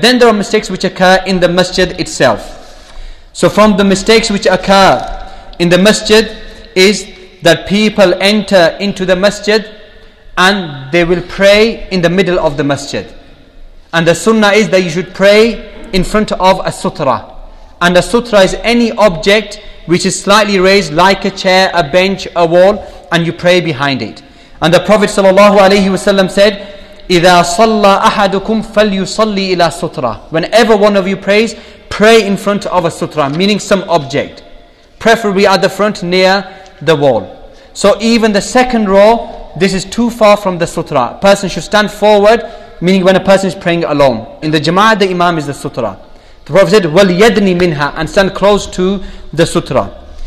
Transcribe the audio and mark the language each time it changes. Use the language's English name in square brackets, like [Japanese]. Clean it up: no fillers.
[English] Then there are mistakes which occur in the masjid itself. So from the mistakes which occur in the masjid is that people enter into the masjid and they will pray in the middle of the masjid. And the sunnah is that you should pray in front of a sutra. And a sutra is any object which is slightly raised, like a chair, a bench, a wall, and you pray behind it. And the Prophet ﷺ said, [Arabic] إِذَا صَلَّى أَحَدُكُمْ فَلْيُصَلِّ إِلَى [English] sutra. Whenever one of you prays, pray in front of a sutra, meaning some object, preferably at the front near the wall. So even the second row, this is too far from the sutra. A person should stand forward, meaning when a person is praying alone. In the jama'ah, the imam is the sutra. The Prophet said, [Arabic] وَلْيَدْنِ مِنْهَا, [English] and stand close to the sutra.